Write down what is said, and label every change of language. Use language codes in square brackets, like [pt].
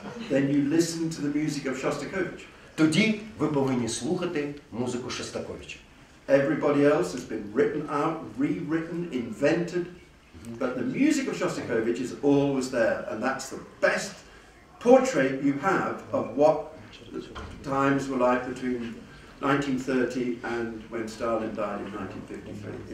[en] then you listen to the music of Shostakovich. [uk] Тоді ви повинні слухати музику Шостаковича. [en] Everybody else has been written out, rewritten, invented, but the music of Shostakovich is always there, and that's the best portrait you have of what times were like between 1930 and when Stalin died in 1953.